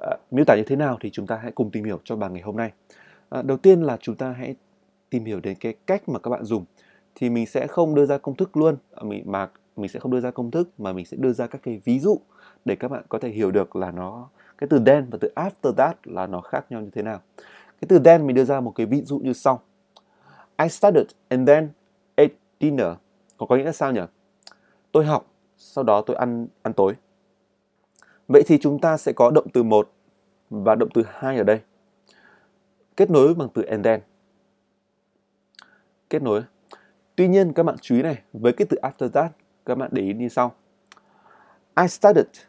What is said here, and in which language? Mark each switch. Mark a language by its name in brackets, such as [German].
[Vietnamese] Miêu tả như thế nào thì chúng ta hãy cùng tìm hiểu cho bài ngày hôm nay. Đầu tiên là chúng ta hãy tìm hiểu đến cái cách mà các bạn dùng. Thì mình sẽ không đưa ra công thức luôn, mà mình sẽ không đưa ra công thức mà mình sẽ đưa ra các cái ví dụ để các bạn có thể hiểu được là nó cái từ then và từ after that là nó khác nhau như thế nào. Cái từ then mình đưa ra một cái ví dụ như sau. [English] I studied and then ate dinner. [Vietnamese] Có nghĩa là sao nhỉ? Tôi học, sau đó tôi ăn ăn tối. Vậy thì chúng ta sẽ có động từ 1 và động từ 2 ở đây. Kết nối bằng từ and then. Kết nối. Tuy nhiên các bạn chú ý này, với cái từ after that, các bạn để ý như sau. [English] I studied.